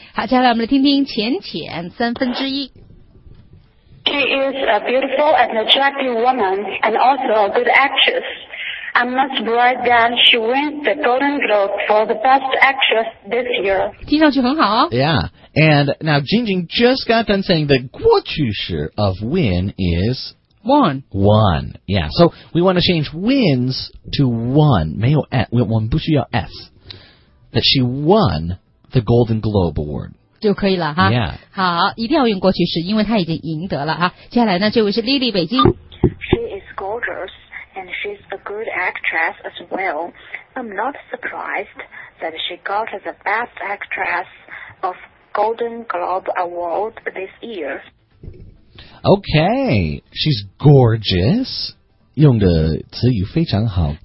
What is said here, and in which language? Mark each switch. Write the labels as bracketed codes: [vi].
[zh] 好，接下来我们来听听浅浅三分之一。 [en] She is a beautiful and attractive woman and also a good actress. I must write down she wins the Golden Globe for the best actress this year. [zh] 听上去很好哦。Yeah. [en] And now Jingjing just got done saying the 过去式 of win is won. Won. Yeah. So we want to change wins to won. [zh] 没有 s, 我们不需要 s. [en] That she won the Golden Globe Award. [zh] 就可以了哈。 Yeah. 好，一定要用过去式，因为她已经赢得了哈。接下来呢，这位是 Lily 北京。 [en] She is gorgeous and she's a good actress as well. I'm not surprised that she got the best actress ofGolden Globe Award this year. Okay, she's gorgeous. [zh] 用的词语非常好。 [en] Gorgeous.